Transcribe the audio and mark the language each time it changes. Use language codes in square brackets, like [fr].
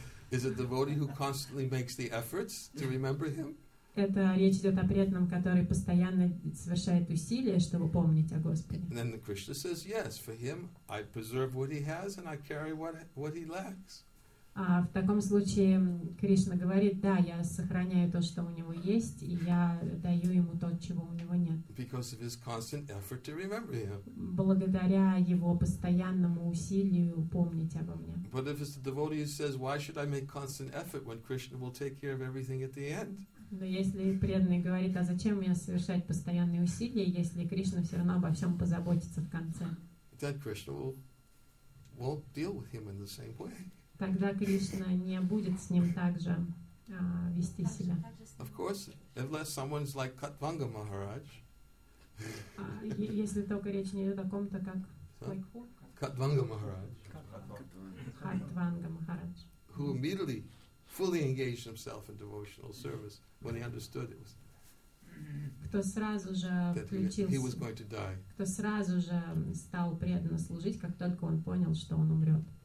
[en] Is it the devotee who constantly makes the efforts to remember him? [ru] Это речь идет о преданном, который постоянно совершает усилия, чтобы помнить о Господе. [en] And then the Krishna says, yes, for him, I preserve what he has and I carry what he lacks. [ru] В таком случае Кришна говорит, да, я сохраняю то, что у него есть, и я даю ему то, чего у него нет. [en] Because of his constant effort to remember him. [ru] Благодаря его постоянному усилию помнить обо мне. [en] But if it's the devotee who says, why should I make constant effort when Krishna will take care of everything at the end? [ru] Но если преданный говорит, а зачем мне совершать постоянные усилия, если Кришна все равно обо всем позаботится в конце? [en] Then Krishna won't deal with him in the same way. [ru] Тогда Кришна не будет с ним также вести себя. [en] Of course, unless someone's like Katvanga Maharaj. [ru] Если только речь не идет о ком-то, как Katvanga Maharaj. Katvanga Maharaj. [en] Who immediately fully engaged himself in devotional service when he understood it was. [ru] Кто сразу же включился. [en] He was going to die. [ru] Кто сразу же стал преданно служить, как только он понял, что он умрет.